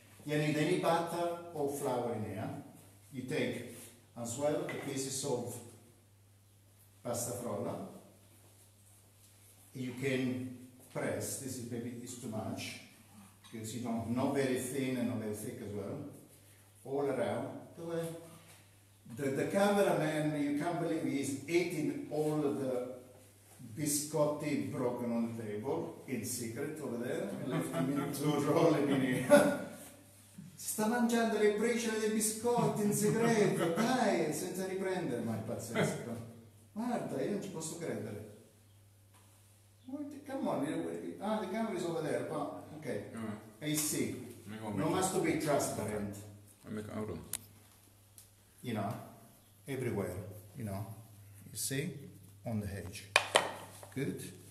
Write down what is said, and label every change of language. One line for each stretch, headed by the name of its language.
English: You need any butter or flour in here, you take as well the pieces of pasta frolla, you can press, this is maybe it's too much, because you know, not very thin and not very thick as well. All around the cameraman, you can't believe he's eating all of the biscotti broken on the table in secret over there. Left him to roll in here.
Italian: Sta mangiando le briciole dei biscotti in segreto, dai, senza riprendere, ma è pazzesco. Guarda, io non ci posso credere.
English: Come on, the camera is over there, but okay. Mm. I see. No, must to be transparent. I make out of, you know, everywhere, you know, you see, on the edge. Good.